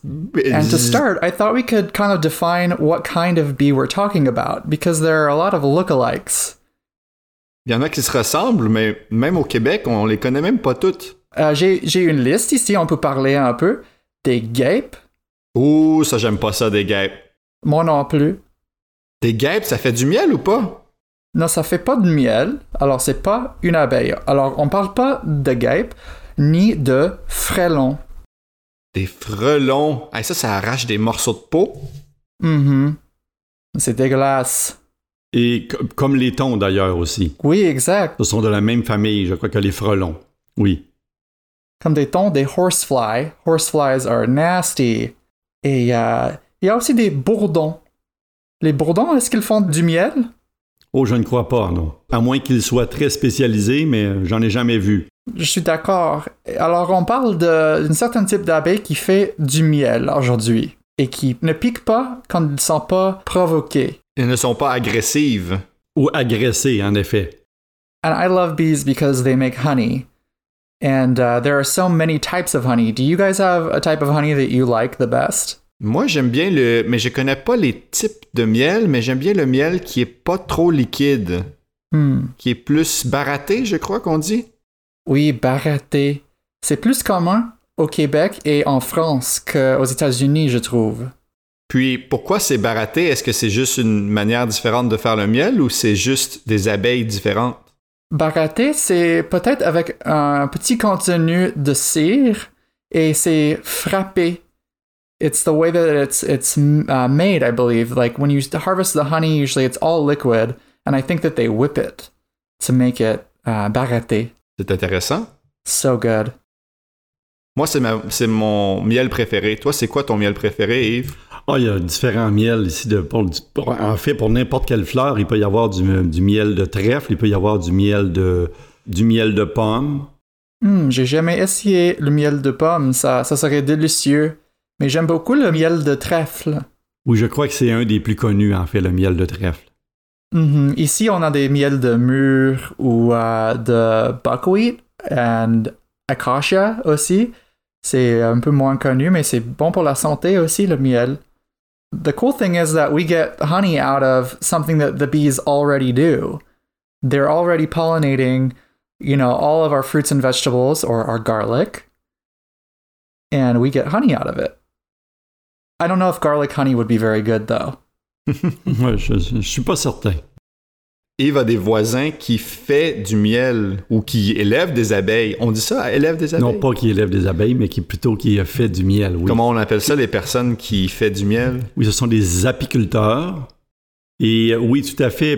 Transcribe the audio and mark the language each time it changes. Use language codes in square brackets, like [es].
[en] And to start, I thought we could kind of define what kind of bee we're talking about, because there are a lot of lookalikes. [fr] Il y en a qui se ressemblent, mais même au Québec, on les connaît même pas toutes. J'ai une liste ici, on peut parler un peu. Des guêpes. Ouh, ça j'aime pas ça, des guêpes. Moi non plus. Des guêpes, ça fait du miel ou pas? Non, ça fait pas de miel, alors c'est pas une abeille. Alors, on parle pas de guêpes, ni de frelons. Des frelons. Hey, ça arrache des morceaux de peau. Mm-hmm. C'est dégueulasse. Et comme les thons, d'ailleurs, aussi. Oui, exact. Ce sont de la même famille, je crois, que les frelons. Oui. Comme des thons, des [en] horseflies. Horseflies are nasty. [fr] Et il y a aussi des bourdons. Les bourdons, est-ce qu'ils font du miel? Oh, je ne crois pas, non. À moins qu'ils soient très spécialisés, mais j'en ai jamais vu. Je suis d'accord. Alors, on parle d'un certain type d'abeille qui fait du miel aujourd'hui et qui ne pique pas quand ils ne sont pas provoqués. Ils ne sont pas agressives. Ou agressés, en effet. [en] And I love bees because they make honey. And there are so many types of honey. Do you guys have a type of honey that you like the best? [fr] Moi, j'aime bien le... Mais je ne connais pas les types de miel, mais j'aime bien le miel qui n'est pas trop liquide. Hmm. Qui est plus baratté, je crois qu'on dit. Oui, baratté. C'est plus commun au Québec et en France qu'aux États-Unis, je trouve. Puis, pourquoi c'est baratté? Est-ce que c'est juste une manière différente de faire le miel ou c'est juste des abeilles différentes? Baratté, c'est peut-être avec un petit contenu de cire et c'est frappé. [en] It's the way that it's made, I believe. Like, when you harvest the honey, usually it's all liquid. And I think that they whip it to make it baratté. [fr] C'est intéressant. [en] So good. [fr] Moi, c'est mon miel préféré. Toi, c'est quoi ton miel préféré, Yves? Oh, il y a différents miels ici. En fait, pour n'importe quelle fleur, il peut y avoir du miel de trèfle, il peut y avoir du miel de pomme. J'ai jamais essayé le miel de pomme. Ça serait délicieux. Mais j'aime beaucoup le miel de trèfle. Oui, je crois que c'est un des plus connus, en fait, le miel de trèfle. Mm-hmm. Ici, on a des miels de mûre ou de [en] buckwheat and acacia [fr] aussi. C'est un peu moins connu, mais c'est bon pour la santé aussi, le miel. [en] The cool thing is that we get honey out of something that the bees already do. They're already pollinating, you know, all of our fruits and vegetables or our garlic. And we get honey out of it. I don't know if garlic honey would be very good, though. [fr] Ouais, je suis pas certain. Yves a des voisins qui fait du miel ou qui élève des abeilles. On dit ça, élève des abeilles? Non, pas qui élève des abeilles, mais qui fait du miel, oui. Comment on appelle ça, les personnes qui fait du miel? Oui, ce sont des apiculteurs. Et oui, tout à fait.